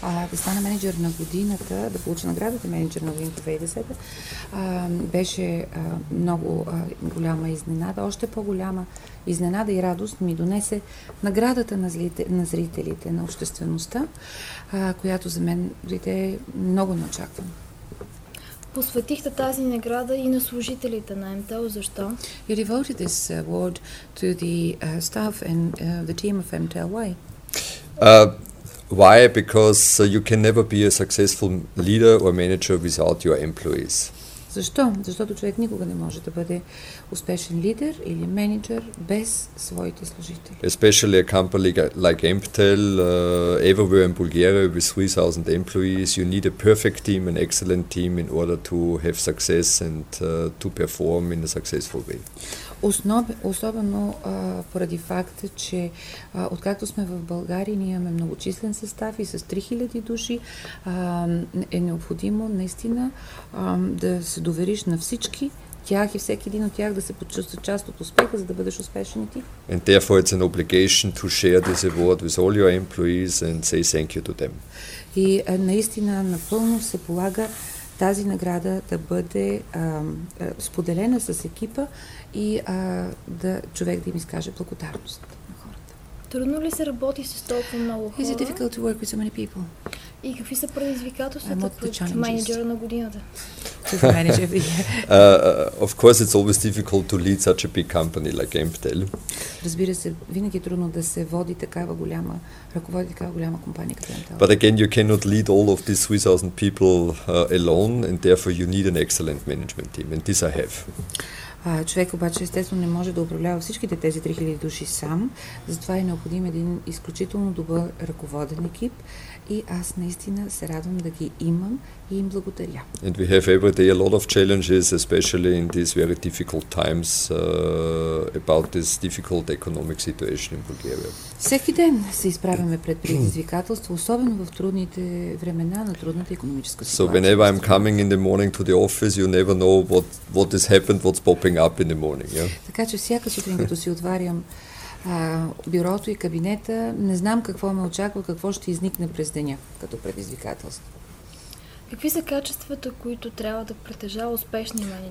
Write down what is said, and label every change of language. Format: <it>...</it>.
<bg>Да стана менеджер на годината, да получа наградата менеджер на годината 2010, беше много голяма изненада. Още по-голяма изненада и радост ми донесе наградата на зрителите, на обществеността, която за мен дойде много неочаквано. Посветихте тази награда и на служителите на МТЛ. Защо?</bg> <en>You devoted this award to the staff and the team of MTL. Why? Why? Because you can never be a successful leader or manager without your employees.</en> <bg>Защо? Защото човек никога не може да бъде успешен лидер или менеджер без своите служители.</bg> <en>Especially a company like MTL, everywhere in Bulgaria with 3,000 employees, you need a perfect team, an excellent team in order to have success and to perform in a successful way.</en> <bg>Особено поради факта, че откакто сме в България, ние имаме многочислен състав и с 3000 души, е необходимо наистина да се довериш на всички тях и всеки един от тях да се почувства част от успеха, за да бъдеш успешен и ти.</bg> <en>And therefore it's an obligation to share this award with all your employees and say thank you to them.</en> <bg>И наистина напълно се полага тази награда да бъде споделена с екипа и да човек да им изкаже благодарност на хората. Трудно ли се работи с толкова много хора?</bg> <en>Is it difficult to work with so many people?</en> <bg>И какви са предизвикателствата пред менеджера на годината?</bg> <en>Of course it's always difficult to lead such a big company like MTL.</en> <bg>Разбира се, винаги е трудно да се води такава голяма, ръководи такава голяма компания като MTL.</bg> <en>But again, you cannot lead all of these 3,000 people alone and therefore you need an excellent management team and this I have.</en> <bg>Човек обаче естествено не може да управлява всичките тези 3000 души сам, затова е необходим един изключително добър ръководен екип и аз наистина се радвам да ги имам и им благодаря.</bg> <en>And we have every day a lot of challenges, especially in these very difficult times about this difficult economic situation in Bulgaria.</en> <bg>Всеки ден се изправяме пред предизвикателства, особено в трудните времена на трудната економическа ситуация.</bg> <en>So whenever I'm coming in the morning to the office, you never know what has happened, what's popping up in the morning. Yeah?</en> <bg>Така че всяка сутрин, като си отварям бюрото и кабинета, не знам какво ме очаква, какво ще изникне през деня като предизвикателство. Какви са качествата, които трябва да притежава успешния менеджер?</bg>